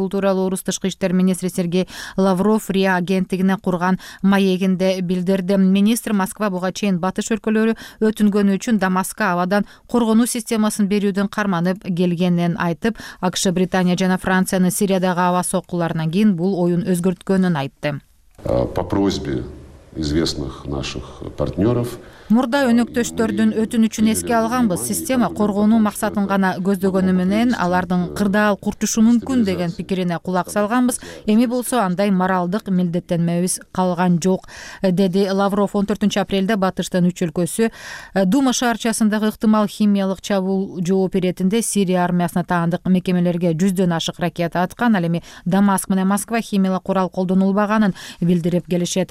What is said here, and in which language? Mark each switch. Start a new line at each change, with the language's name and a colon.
Kyrgyz: Бул тууралуу Орус тышкы иштер министри Сергей Лавров РИА агенттигине курган маегинде билдирди. Министр Москва буга чейин батыш өлкөлөрү өтүнгөнү үчүн Дамаска абадан коргонуу системасын берүүдөн карманып келгенин айтып, АКШ, Британия жана Франциянын Сириядагы аба соккуларынан кийин бул оюн өзгөрткөнүн айтты.
Russian: По просьбе известных наших партнеров.
Kyrgyz: Мурда өнөктөштөрдүн өтүнүчүн эске алганбыз. Система коргонуу максатын гана көздөгөнү менен алардын кырдаал курчушу мүмкүн деген пикирине кулак салганбыз. Эми болсо андай моралдык милдеттенмебиз калган жок, деди Лавров 14 апрелде батыштын үч өлкөсү Дума шаарчасындагы ыктымал химиялык чабуул жооп иретинде Сирия армиясына таандык мекемелерге 100 ашык ракета аткан, ал эми Дамаск менен Москва химиялык курал колдонулбаганын билдирип келишет.